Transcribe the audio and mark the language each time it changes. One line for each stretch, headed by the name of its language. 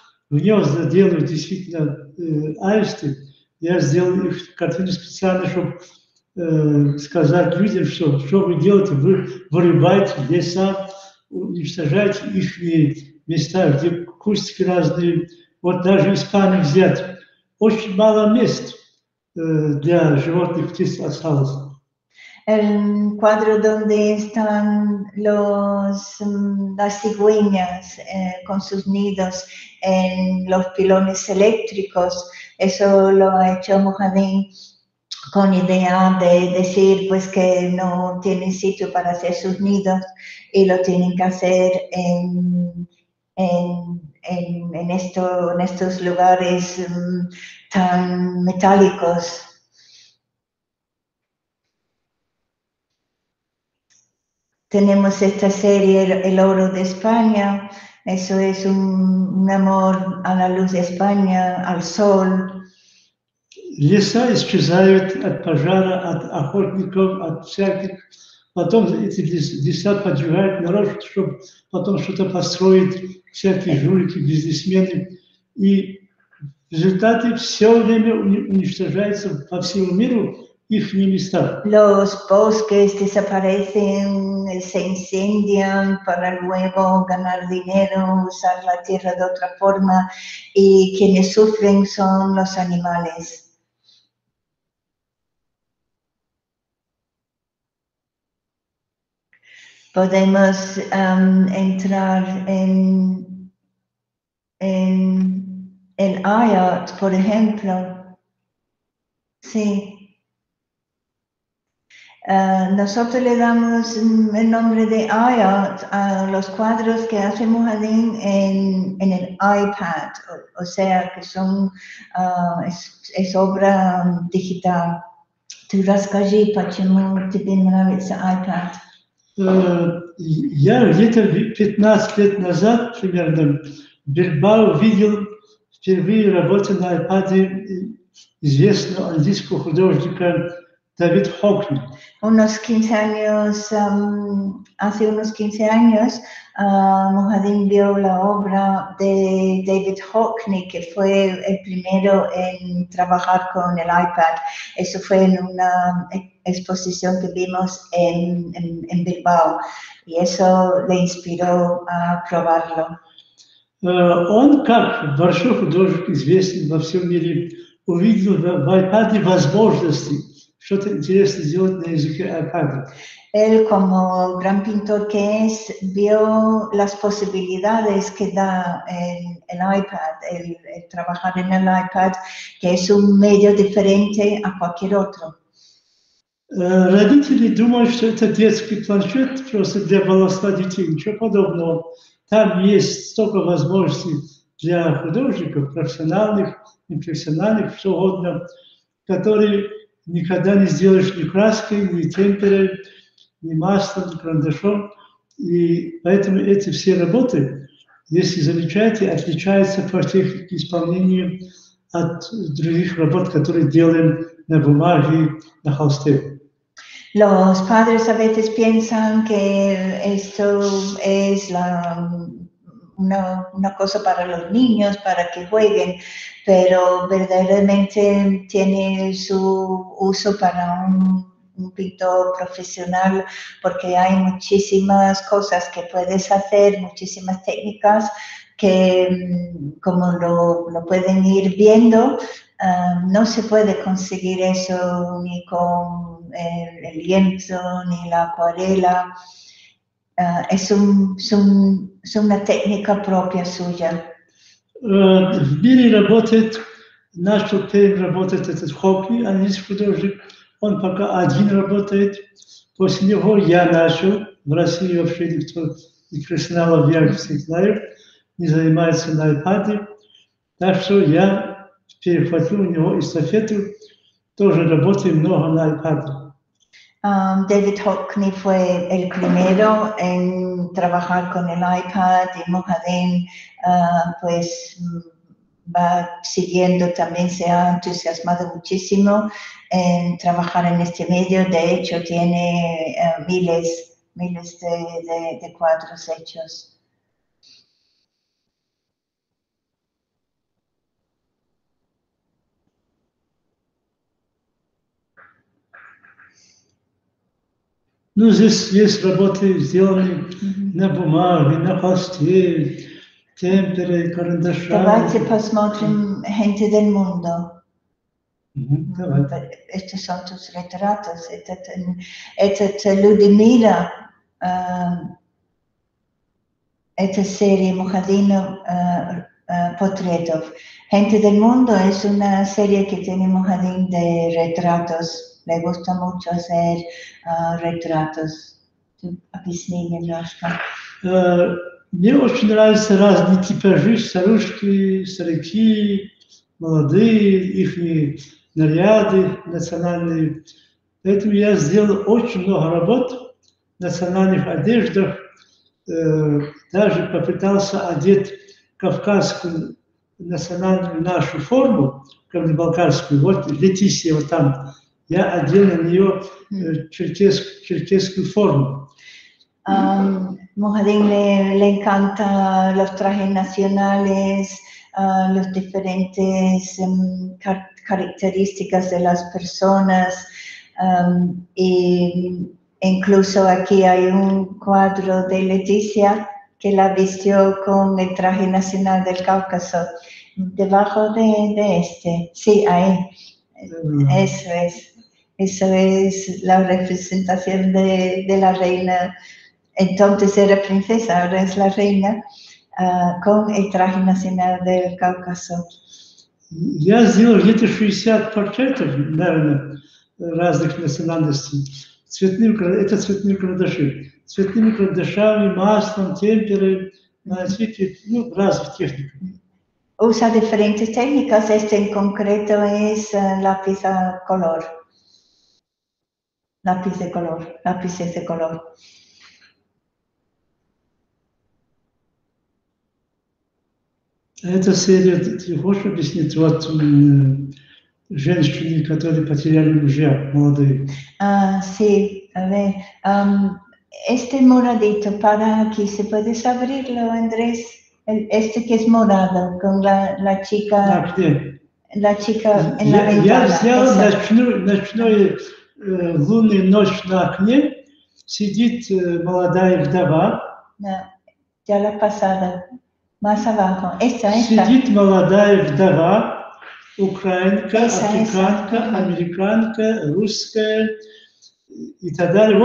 Russian: Гнезда делают действительно аисты. Я сделал их картину специально, чтобы сказать людям, что вы делаете, вы вырубаете леса, уничтожаете их места, где кустики разные. Вот даже в Испании взять очень мало мест для животных, птиц осталось.
Spanish: El cuadro donde están las cigüeñas con sus nidos en los pilones eléctricos, eso lo ha hecho Mohamed con idea de decir pues, que no tienen sitio para hacer sus nidos y lo tienen que hacer en estos lugares tan metálicos. Tenemos esta serie, El Oro de España, eso es un amor a la luz de España, al sol.
Russian: Леса исчезают от пожара, от охотников, от всяких. Потом эти леса поджигают народ, чтобы потом что-то построить, всякие жулики, бизнесмены. И в результате все время уничтожается по всему миру,
Spanish: Los bosques desaparecen, se incendian para luego ganar dinero, usar la tierra de otra forma, y quienes sufren son los animales. Podemos entrar en el ayat, por ejemplo. Sí. Nosotros le damos el nombre de ayat a los cuadros que hace Mujadín en el iPad, o sea, que son es obra digital. Tú vas allí para que no te pierdas ese iPad.
Russian: Я где-то 15 лет назад примерно в Бильбао видел впервые работу на iPad известного английского художника Дэвид Хокни.
Spanish: Hace unos 15 años Mujadín vio la obra de David Hockney, que fue el primero en trabajar con el iPad. Eso fue en una exposición que vimos en Bilbao, y eso le inspiró a probarlo.
Russian: Он как большой художник, известный во всем мире, увидел в iPad возможности. Что-то интересное сделать на языке iPad.
Spanish: Él, como gran pintor que es, vio las posibilidades que da el iPad, el trabajar en el iPad, que es un medio diferente a cualquier otro.
Russian: Родители думают, что это детский планшет просто для волоса детей, ничего подобного. Там есть столько возможностей для художников, профессиональных, непрофессиональных, что угодно, которые никогда не сделаешь ни краской, ни темперой, ни маслом, ни карандашом. И поэтому эти все работы, если замечаете, отличаются по технике исполнения от других работ, которые делаем на бумаге, на холсте.
Spanish: Los padres a veces piensan que esto es una cosa para los niños, para que jueguen, pero verdaderamente tiene su uso para un pintor profesional, porque hay muchísimas cosas que puedes hacer, muchísimas técnicas que, como lo pueden ir viendo, no se puede conseguir eso ni con el lienzo ni la acuarela. Es una técnica propia suya.
Russian: В мире работает, начал первым работать этот Хокни, английский художник. Он пока один работает. После него я начал. В России вообще никто не профессионал, я не знаю, не занимается на iPad. Так что я перехватил у него эстафету, тоже работаю много на iPad.
Spanish: David Hockney fue el primero en trabajar con el iPad, y Mujadín pues va siguiendo también, se ha entusiasmado muchísimo en trabajar en este medio. De hecho, tiene miles de cuadros hechos.
Russian: Ну, здесь есть работы, сделанные на бумаге, на холсте, темпере, карандаше. Давайте посмотрим «Gente del mundo». Давайте. Это сон тут ретратус. Этот «Люди мира», это серия Мухадина портретов.
Spanish: «Gente del mundo» es una serie que tiene Мухадин de ретратус. Me gusta mucho hacer retratos.
Russian: Объясни немножко. Мне очень нравятся разные типажи, старушки, старики, молодые, их наряды национальные. Поэтому я сделал очень много работ в национальных одеждах. Даже попытался одеть кавказскую национальную нашу форму, кабардино-балкарскую. Вот Летисия вот там. Я одел на нее черкесскую форму.
Spanish: Мухадин le encanta los trajes nacionales, las diferentes características de las personas. Y incluso aquí hay un cuadro de Leticia que la vistió con el traje nacional del Cáucaso. Debajo de este, sí, ahí. Eso es la representación de la reina. Entonces era princesa, ahora es la reina, con el traje nacional del Cáucaso.
Russian: Я сделал где-то 60 портретов, наверное, разных национальностей. Это цветные карандаши. Цветными карандашами, маслом, темперой, наносите, ну, разных техник.
Spanish: Usa diferentes técnicas, este en concreto es lápiz a color. Lápiz de color, lápices de color.
Russian: Эта серия, ты хочешь объяснить, вот женщины, которые потеряли мужа, молодые?
Spanish: Sí, a ver, este moradito, para aquí, ¿se puedes abrirlo, Andrés? Este que es morado, con la chica, la chica en la ventana.
Russian: Я взял ночную лунную ночь на окне, сидит молодая вдова.
Spanish: Ya la pasada. Más abajo, esta.
Russian: Сидит молодая вдова, украинка, африканка, американка, русская и так далее.